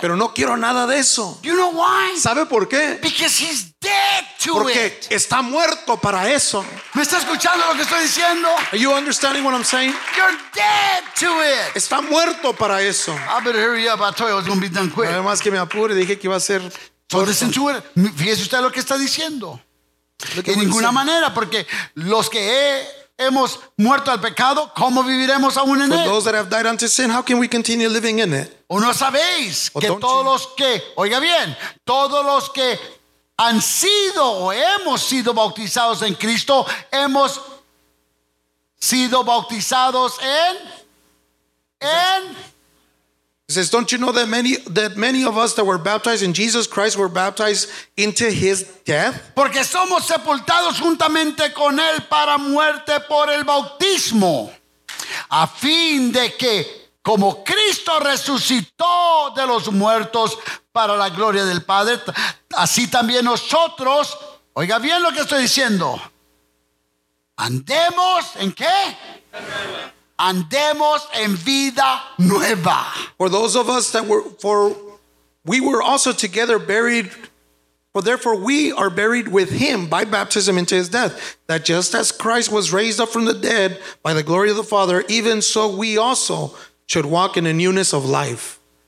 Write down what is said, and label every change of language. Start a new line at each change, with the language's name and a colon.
Spanish: Pero no quiero nada de eso.
English: You know why?
Spanish: ¿Sabe por qué?
English: Because he's dead to
Spanish: Porque
English: it.
Spanish: Porque está muerto para eso. ¿Me está escuchando lo que estoy diciendo?
English: Are you understanding what I'm saying? You're dead to it.
Spanish: Está muerto para eso.
English: I better hurry up. I told you I was going to be done quick.
Spanish: Además que me apure, dije que iba a ser.
English: So listen to it.
Spanish: Fíjese usted lo que está diciendo. De ninguna manera, porque los que hemos muerto al pecado, ¿cómo viviremos aún en él?
English: For those that have died unto sin, how can we continue living in it?
Spanish: ¿O no sabéis que todos los que, oiga bien, todos los que han sido o hemos sido bautizados en Cristo, hemos sido bautizados en
English: He says, don't you know that many of us that were baptized in Jesus Christ were baptized into his death?
Spanish: Porque somos sepultados juntamente con él para muerte por el bautismo, a fin de que como Cristo resucitó de los muertos para la gloria del Padre, así también nosotros, oiga bien lo que estoy diciendo, andemos en qué? Andemos en vida nueva.
English: For those of us that were, for we were also together buried, for therefore we are buried with him by baptism into his death, that just as Christ was raised up from the dead by the glory of the Father, even so we also should walk in a newness of life.